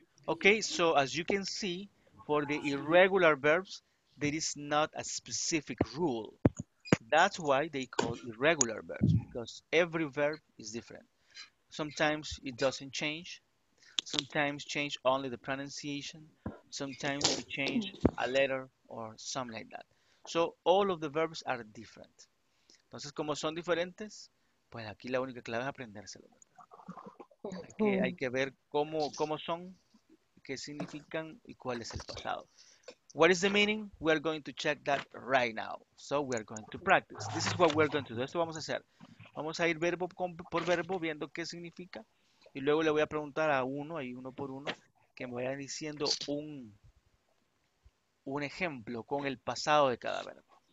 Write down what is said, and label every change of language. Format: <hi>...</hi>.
<en>Okay, so as you can see, for the irregular verbs, there is not a specific rule. That's why they call irregular verbs, because every verb is different. Sometimes it doesn't change. Sometimes change only the pronunciation. Sometimes we change a letter or something like that. So all of the verbs are different.</en> <es>Entonces, como son diferentes, pues aquí la única clave es aprendérselo. Hay que ver cómo son, qué significan y cuál es el pasado.</es> <en>What is the meaning? We are going to check that right now. So we are going to practice. This is what we are going to do.</en> <es>Esto vamos a hacer. Vamos a ir verbo por verbo viendo qué significa. Y luego le voy a preguntar a uno, ahí uno por uno, que me vaya diciendo un ejemplo con el pasado de cada verbo.</es>